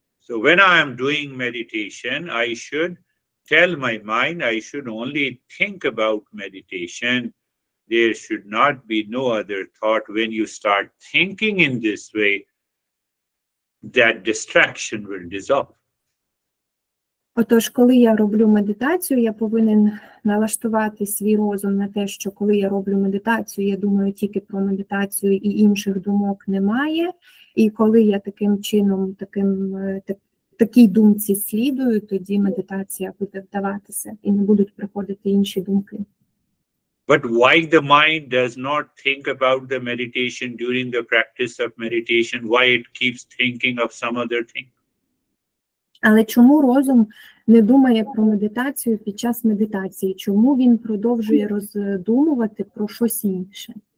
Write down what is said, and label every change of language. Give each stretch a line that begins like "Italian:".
English: So when I am doing meditation, I should tell my mind, I should only think about meditation. There should not be no other thought. When you start thinking in this way, that distraction will dissolve.
Ukrainian: Отож, коли я роблю медитацію, я повинен налаштувати свій розум на те, що коли я роблю медитацію, я думаю тільки про медитацію і інших думок немає. І коли я таким чином, такій думці слідую, тоді медитація буде вдаватися і не будуть приходити інші думки.
English: But why the mind does not think about the meditation during the practice of meditation? Why it keeps thinking of some other thing?
Ukrainian: Але чому розум не думає про медитацію під час медитації? Чому він продовжує роздумувати про щось інше?